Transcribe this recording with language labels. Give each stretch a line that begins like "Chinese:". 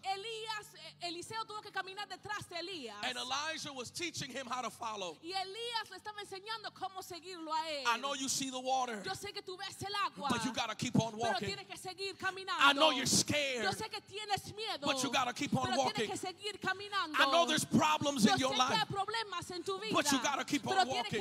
Spanish: Elías, Eliseo tuvo que caminar detrás de Elías.
English: And Elijah was teaching him how to follow.
Spanish: Y Elías le estaba enseñando cómo seguirlo a él.
English: I know you see the water.
Spanish: Yo sé que tú ves el agua.
English: But you got to keep on walking.
Spanish: Pero tiene que seguir caminando.
English: I know you're scared.
Spanish: Yo sé que tienes miedo.
English: But you got to keep on
Spanish: pero
English: walking.
Spanish: Tiene que seguir caminando.
English: I know there's problems
Spanish: yo
English: in your life,
Spanish: problemas en tu vida,
English: but you gotta keep on walking.